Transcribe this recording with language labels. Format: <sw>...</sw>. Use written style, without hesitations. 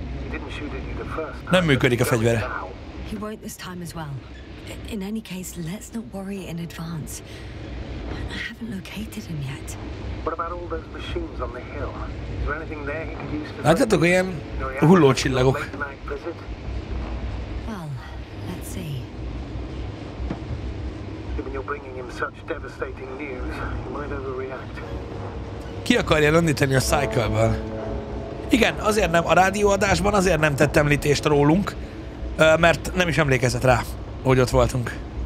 <en>He didn't shoot at you the first time.</en> <hu>Nem működik a fegyvere.</hu> <en>He won't this time as well. In any case, let's not worry in advance. I haven't located him yet. What about all those machines on the hill? Is there anything there he could use to...</en> <hu>Láttatok ilyen hullócsillagok?</hu> <en>Well, let's see. Given you're bringing him such devastating news, he might overreact.</en> <hu>Ki akarja rendíteni a Cycle-ből? Igen, azért nem a rádióadásban, azért nem tett említést rólunk, mert nem is emlékezett rá, hogy ott voltunk.</hu>